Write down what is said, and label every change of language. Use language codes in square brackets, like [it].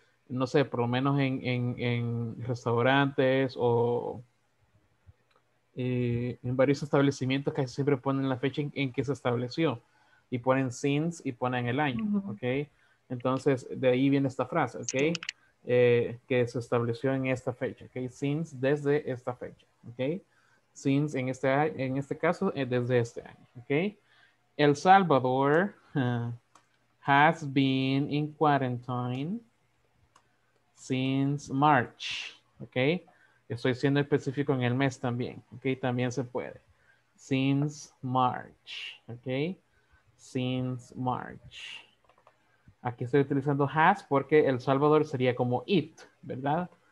[es] No sé, por lo menos en restaurantes o en varios establecimientos casi siempre ponen la fecha en que se estableció. Y ponen since y ponen el año, uh-huh. ¿Ok? Entonces, de ahí viene esta frase, ¿ok? Que se estableció en esta fecha, ¿ok? Since, desde esta fecha, ¿ok? since en este caso desde este año, okay? [en] El Salvador has been in quarantine since March, okay? [es] Estoy siendo específico en el mes también, okay? También se puede. [en] Since March, okay? Since March. [es] Aquí estoy utilizando has porque El Salvador sería como it, ¿verdad?